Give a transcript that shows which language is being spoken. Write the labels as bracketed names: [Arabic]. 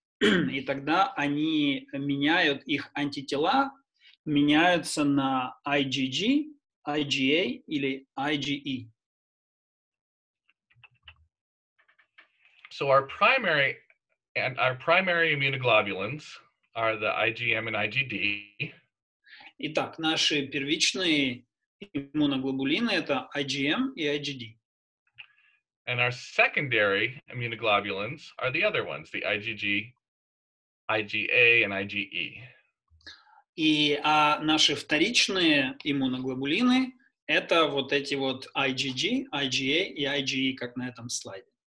[Russian] И тогда они меняют их антитела, меняются на IgG, IgA или IgE. [English] So our primary immunoglobulins are the IgM and IgD. [Russian] Итак, наши первичные иммуноглобулины это IgM и IgD. [English] And our secondary immunoglobulins are the other ones, the IgG, IgA and IgE. [Russian] И наши вторичные иммуноглобулины это вот эти вот IgG, IgA и IgE, как на этом слайде.